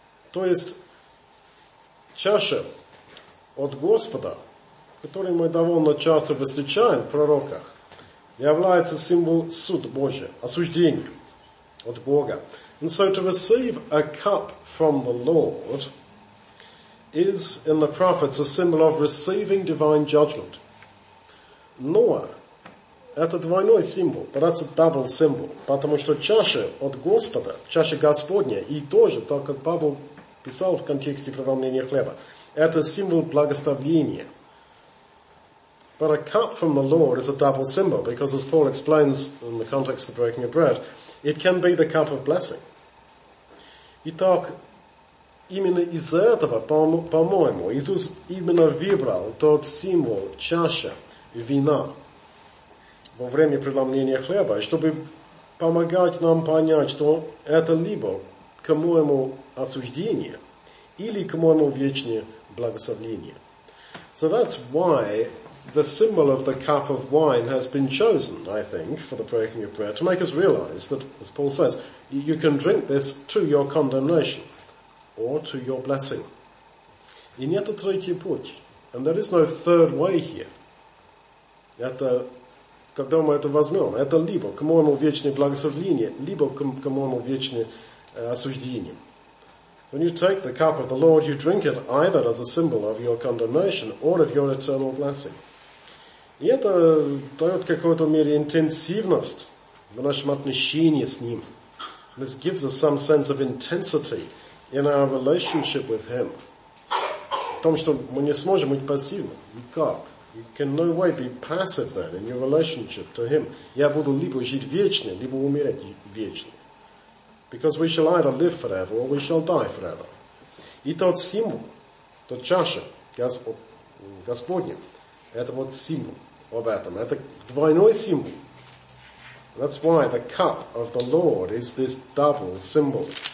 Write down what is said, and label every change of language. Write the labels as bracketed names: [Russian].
[Russian] То есть, чаша от Господа, который мы довольно часто встречаем в пророках, является символ суд Божий, осуждение от Бога. [English] And so to receive a cup from the Lord is, in the prophets, a symbol of receiving divine judgment. [Russian] Noah, это двойной символ, [English] but that's a double symbol, [Russian] потому что чаша от Господа, чаша Господня, и тоже, так как Павел писал в контексте преломления хлеба, это символ благословения. [English] But a cup from the Lord is a double symbol, because as Paul explains in the context of the breaking of bread, it can be the cup of blessing. [Russian] Итак, именно из этого, по-моему, Иисус именно выбрал тот символ, чаша, вина, во время преломления хлеба, чтобы помогать нам понять, что это либо к моему осуждению, или к моему вечному благословению. [English] So that's why the symbol of the cup of wine has been chosen, I think, for the breaking of bread, to make us realize that, as Paul says, you can drink this to your condemnation or to your blessing. [Russian] И нет третий путь. [English] And there is no third way here. [Russian] Это, когда мы это возьмем, это либо к моему вечному благословению, либо к моему вечному осуждению. [English] When you take the cup of the Lord, you drink it either as a symbol of your condemnation or of your eternal blessing. [Russian] И это дает какой-то мере интенсивность в нашем отношении с Ним. [English] This gives us some sense of intensity in our relationship with Him. [Russian] В том, что мы не сможем быть пассивными. Никак. [English] You can no way be passive then in your relationship to Him. [Russian] Я буду либо жить вечно, либо умереть вечно. [English] Because we shall either live forever or we shall die forever. [Russian] И тот символ, тот чаша Господня, это вот символ об этом. Это двойной символ. [English] That's why the cup of the Lord is this double symbol.